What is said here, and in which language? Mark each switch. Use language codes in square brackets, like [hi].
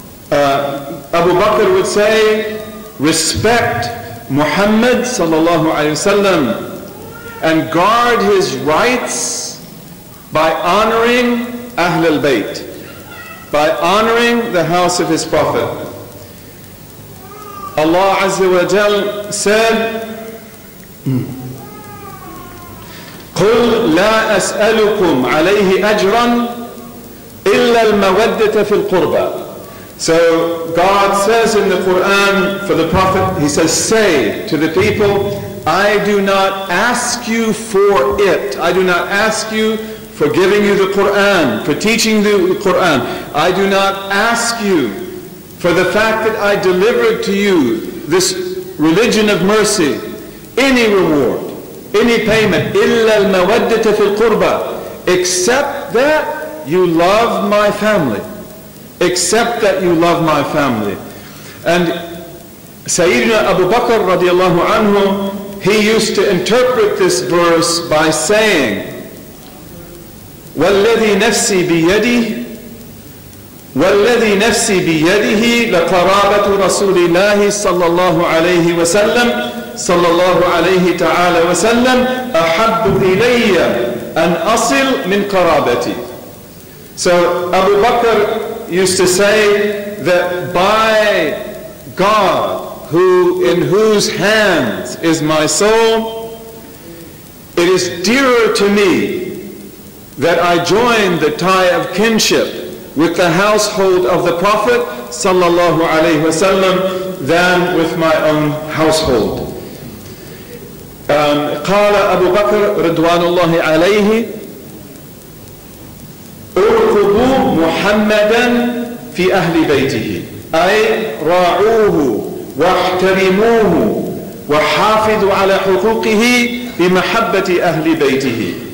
[en] Abu Bakr would say, respect Muhammad sallallahu alayhi wasallam and guard his rights by honoring Ahlul Bayt, by honoring the house of his Prophet. Allah Azza wa Jal said, [ar] قُلْ لَا أَسْأَلُكُمْ عَلَيْهِ أَجْرًا إِلَّا الْمَوَدَّةَ فِي الْقُرْبَى. [en] So God says in the Quran for the Prophet, he says, say to the people, I do not ask you for it. I do not ask you for giving you the Quran, for teaching the Quran. I do not ask you for the fact that I delivered to you this religion of mercy, any reward, any payment, [ar] إِلَّا الْمَوَدَّةَ فِي الْقُرْبَى, [en] except that you love my family. Except that you love my family. And Sayyidina Abu Bakr radiallahu anhu, he used to interpret this verse by saying, [ar] وَالَّذِي نَفْسِي بِيَدِهِ والذي نفسي بيده لقرابة رسول الله صلى الله عليه وسلم صلى الله عليه تعالى وسلم أحب إلي أن أصل من قرابتي. [en] So Abu Bakr used to say that by God, who in whose hands is my soul, it is dearer to me that I join the tie of kinship with the household of the Prophet sallallahu alayhi wasallam than with my own household. [ar] قال أبو بكر رضوان الله عليه ارقبوا محمدا في أهل بيته أي راعوه واحترموه وحافظوا على حقوقه بمحبة أهل بيته.